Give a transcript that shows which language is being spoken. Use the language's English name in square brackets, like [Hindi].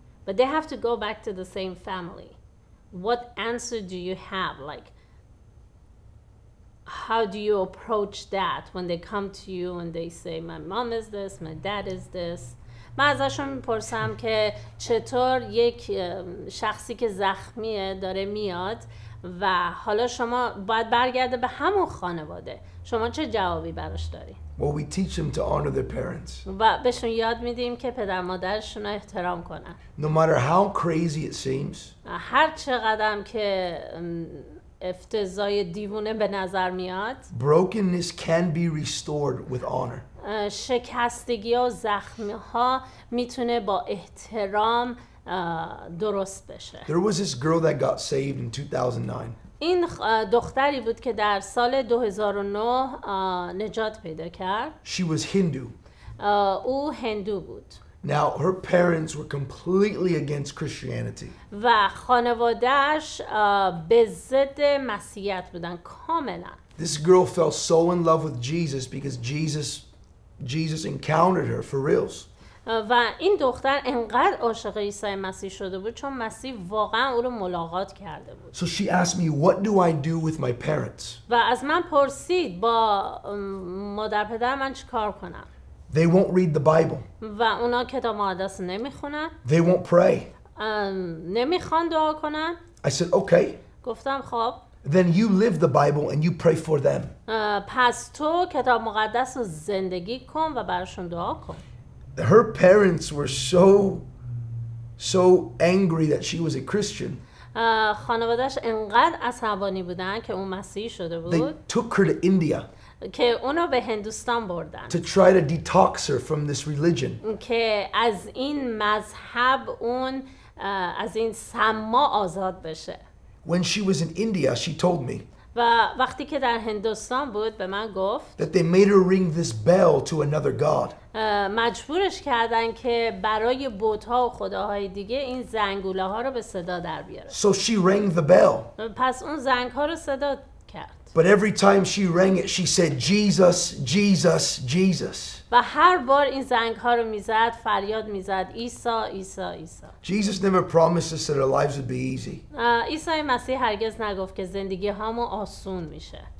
[English] But they have to go back to the same family. What answer do you have? Like, how do you approach that when they come to you and they say, my mom is this, my dad is this? [Persian] من ازشون میپرسم که چطور یک شخصی که زخمیه داره میاد و حالا شما باید برگرده به همون خانواده. شما چه جوابی براش داری؟ [English] Well, we teach them to honor their parents. [Persian] و بهشون یاد میدیم که پدر مادرشون رو احترام کنن. [English] No matter how crazy it seems. [Persian] هر چقدرم که افتضای دیوونه به نظر میاد. [English] Brokenness can be restored with honor. [Persian] شکستگی و زخم‌ها میتونه با احترام درست بشه. [English] There was this girl that got saved in 2009. [Persian] این دختری بود که در سال 2009 نجات پیدا کرد. [English] She was Hindu. [Persian] او هندو بود. [English] Now her parents were completely against Christianity. [Persian] و خانواده‌اش به ضد مسیحیت بودن کاملا. [English] This girl fell so in love with Jesus because Jesus encountered her for reals. [Persian] و این دختر انقدر عاشق عیسی مسیح شده بود چون مسیح واقعا او رو ملاقات کرده بود. [English] So she asked me, what do I do with my parents? [Persian] و از من پرسید با مادر پدر من چی کار کنم. [English] They won't read the Bible. [Persian] و اونا کتاب مقدس نمیخونن. [English] They won't pray. [Persian] نمیخوان دعا کنن. [English] I said, okay. [Persian] گفتم خب. [English] Then you live the Bible and you pray for them. [Persian] پس تو کتاب مقدس رو زندگی کن و براشون دعا کن. [English] Her parents were so angry that she was a Christian. [Persian] خانواده‌اش انقدر عصبانی بودن که اون مسیحی شده بود. [English] They took her to India. [Persian] که اونو به هندوستان بردن. [English] To try to detox her from this religion. [Persian] که از این مذهب اون از این سما آزاد بشه. [English] When she was in India, she told me. [Persian] و وقتی که در هندوستان بود به من گفت. [English] That they made her ring this bell to another god. [Persian] مجبورش کردن که برای بت‌ها و خداهای دیگه این زنگوله‌ها رو به صدا در بیاره. [English] So she rang the bell. [Persian] پس اون زنگ‌ها رو صدا کرد. [English] But every time she rang it, she said Jesus, Jesus, Jesus. [Persian] و هر بار این زنگ‌ها رو می‌زد، فریاد می‌زد عیسی، عیسی، عیسی. [English] Jesus never promised us that our lives would be easy. [Persian] عیسی مسیح هرگز نگفت که زندگی‌هامون آسون میشه.